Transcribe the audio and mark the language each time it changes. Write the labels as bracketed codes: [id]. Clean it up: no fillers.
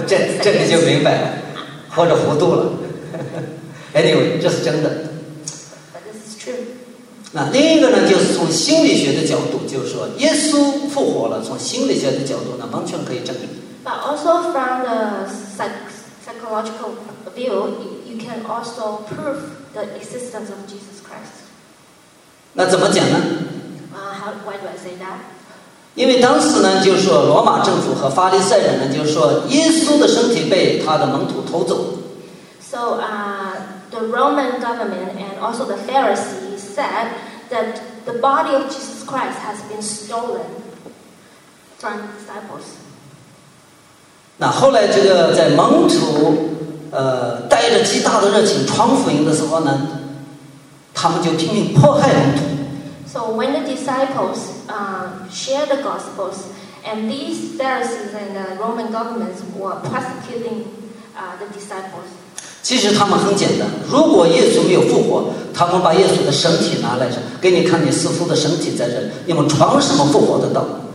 [zh] 这你就明白了，或者糊涂了。Anyway, 这是真的。 [en] But this is true. [zh] 那另一个呢，就是从心理学的角度，就是说，耶稣复活了，从心理学的角度呢，完全可以证明。 [en] But also from the psychological view, you can also prove the existence of Jesus Christ. [zh] 那怎么讲呢？ [en] Why do I say that? [zh] 因为当时呢，就是说罗马政府和法利赛人呢，就是说耶稣的身体被他的门徒偷走。 [en] So the Roman government and also the Pharisees said that the body of Jesus Christ has been stolen from disciples. [zh] 那后来这个在门徒带着极大的热情传福音的时候呢，他们就拼命迫害门徒。 [en] So when the disciples share the gospels, and these Pharisees and the Roman governments were persecuting the disciples. [zh] 其实他们很简单，如果耶稣没有复活，他们把耶稣的身体拿来着，给你看你师父的身体在这里，你们传什么复活的道？